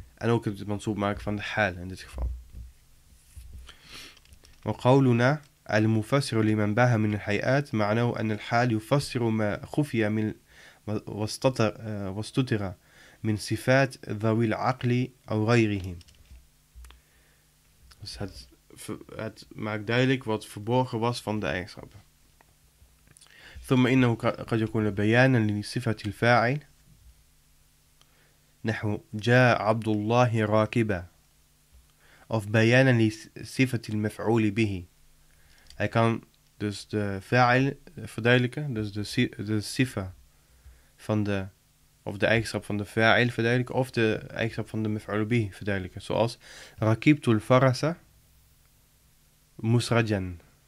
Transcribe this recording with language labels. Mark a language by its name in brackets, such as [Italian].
[Dutch] En ook het mansoob maken van de haal in dit geval. [Arabic] Wa qawluna المفسر لمن باها من الحيئات معناه أن الحال يفسر ما خفي من واستتر من صفات ذوي العقل أو غيرهم. [Dutch] Dus het maakt duidelijk wat verborgen was van de eigenschappen. [Arabic] ثم إنه قد يكون بيانا لصفة الفاعل نحو جاء عبد الله راكبا of بيانا لصفة المفعول به. [Dutch] Hij kan dus de fa'il verduidelijken, dus de sifa van de, of de eigenschap van de fa'il verduidelijken, of de eigenschap van de maf'ul bihi verduidelijken. [Arabic] Zoals, rakibtu al-farasa musrajan.